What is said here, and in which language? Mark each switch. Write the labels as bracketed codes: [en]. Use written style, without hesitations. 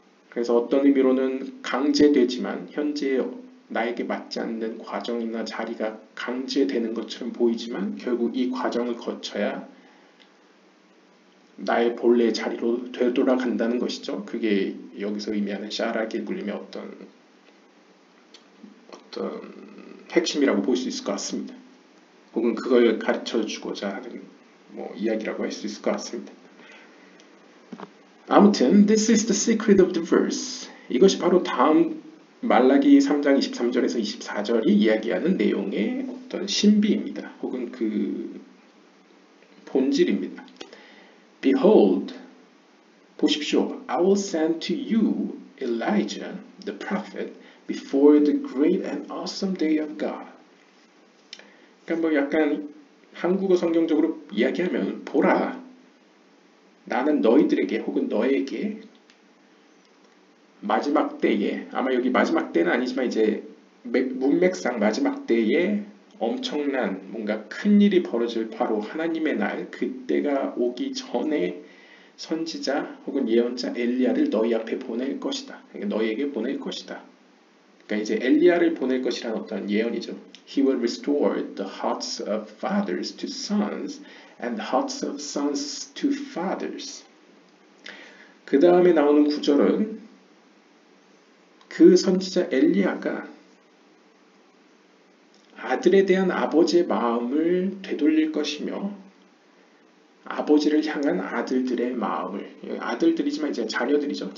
[ko] 그래서 어떤 의미로는 강제되지만 현재 나에게 맞지 않는 과정이나 자리가 강제되는 것처럼 보이지만 결국 이 과정을 거쳐야 나의 본래 자리로 되돌아간다는 것이죠. 그게 여기서 의미하는 샤라기 굴림의 어떤 핵심이라고 볼 수 있을 것 같습니다. 혹은 그걸 가르쳐주고자 하는 뭐 이야기라고 할 수 있을 것 같습니다. [en] 아무튼 this is the secret of the verse. [ko] 이것이 바로 다음 말라기 3장 23절에서 24절이 이야기하는 내용의 어떤 신비입니다. 혹은 그 본질입니다. [en] Behold, [ko] 보십시오. [en] I will send to you Elijah the prophet before the great and awesome day of God. [ko] 그러니까 뭐 약간 한국어 성경적으로 이야기하면 보라. 나는 너희들에게 혹은 너에게 마지막 때에, 아마 여기 마지막 때는 아니지만 이제 문맥상 마지막 때에 엄청난 뭔가 큰 일이 벌어질 바로 하나님의 날, 그때가 오기 전에 선지자 혹은 예언자 엘리야를 너희 앞에 보낼 것이다. 너희에게 보낼 것이다. 그러니까 이제 엘리야를 보낼 것이라는 어떤 예언이죠. [en] He will restore the hearts of fathers to sons and the hearts of sons to fathers. [ko] 그 다음에 나오는 구절은 그 선지자 엘리야가 아들에 대한 아버지의 마음을 되돌릴 것이며 아버지를 향한 아들들의 마음을, 아들들이지만 이제 자녀들이죠.